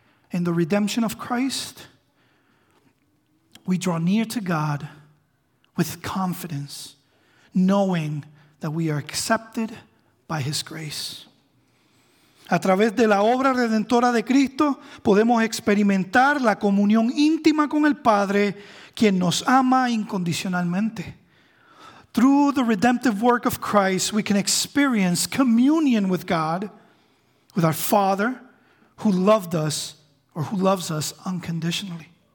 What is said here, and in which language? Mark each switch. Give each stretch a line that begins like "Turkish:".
English: In the redemption of Christ, we draw near to God with confidence, knowing that we are accepted by His grace.
Spanish: A través de la obra redentora de Cristo, podemos experimentar la comunión íntima con el Padre, quien nos ama incondicionalmente.
English: Through the redemptive work of Christ, we can experience communion with God, with our Father, who loved us, or who loves us unconditionally.